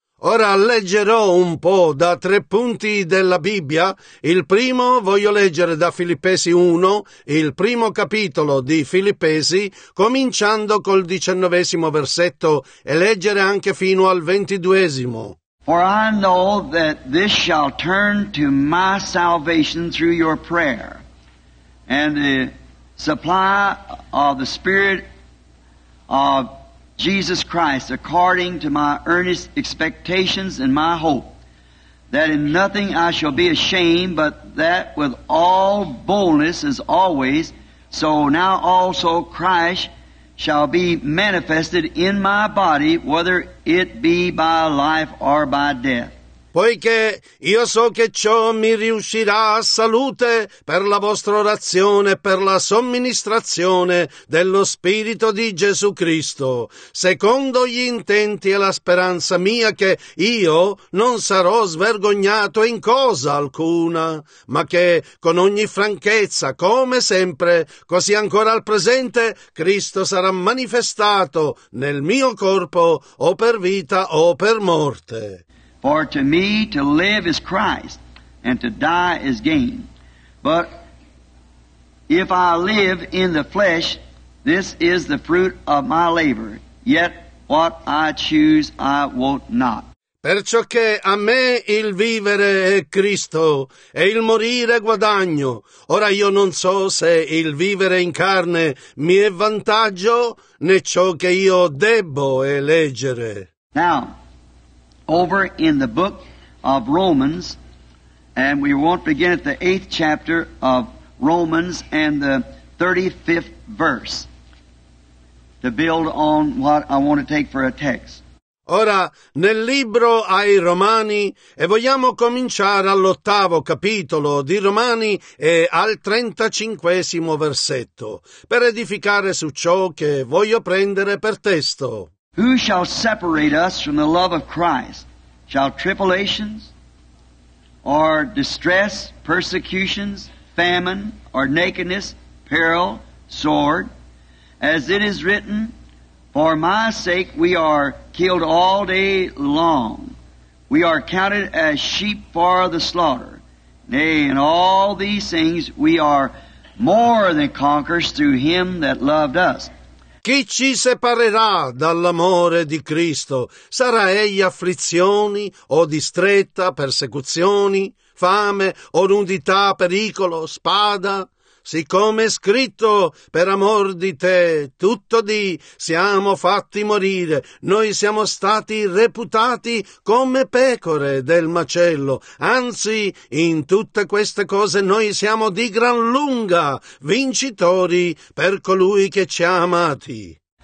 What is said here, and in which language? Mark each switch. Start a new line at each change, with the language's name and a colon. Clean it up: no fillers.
Italian: Ora leggerò un po' da tre punti della Bibbia. Il primo voglio leggere da Filippesi 1, il primo capitolo di Filippesi, cominciando col 19 versetto, e leggere anche fino al 22.
English: For I know that this shall turn to my salvation through your prayer and the supply of the Spirit of Jesus Christ according to my earnest expectations and my hope, that in nothing I shall be ashamed, but that with all boldness as always, so now also Christ shall be manifested in my body, whether it be by life or by death.
Italian: Poiché io so che ciò mi riuscirà a salute per la vostra orazione, per la somministrazione dello Spirito di Gesù Cristo, secondo gli intenti e la speranza mia che io non sarò svergognato in cosa alcuna, ma che con ogni franchezza, come sempre, così ancora al presente, Cristo sarà manifestato nel mio corpo o per vita o per morte.
English: For to me to live is Christ, and to die is gain. But if I live in the flesh, this is the fruit of my labor. Yet what I choose I want not.
Italian: Perciò che a me il vivere è Cristo, e il morire guadagno. Ora io non so se il vivere in carne mi è vantaggio, né ciò che io debbo eleggere.
English: Now, over in the book of Romans, and we won't begin at the 8th chapter of Romans and the 35th verse to build on what I want to take for a text.
Italian: Ora, nel libro ai Romani, e vogliamo cominciare all'ottavo capitolo di Romani e al 35 versetto, per edificare su ciò che voglio prendere per testo.
English: Who shall separate us from the love of Christ? Shall tribulations, or distress, persecutions, famine, or nakedness, peril, sword? As it is written, for my sake we are killed all day long. We are counted as sheep for the slaughter. Nay, in all these things we are more than conquerors through him that loved us.
Italian: Chi ci separerà dall'amore di Cristo? Sarà egli afflizioni o distretta, persecuzioni, fame o nudità, pericolo, spada? siccome è scritto, per amor di te, tutto di, siamo fatti morire, noi siamo stati reputati come pecore del macello, anzi, in tutte queste cose noi siamo di gran lunga vincitori per colui che ci ha amati.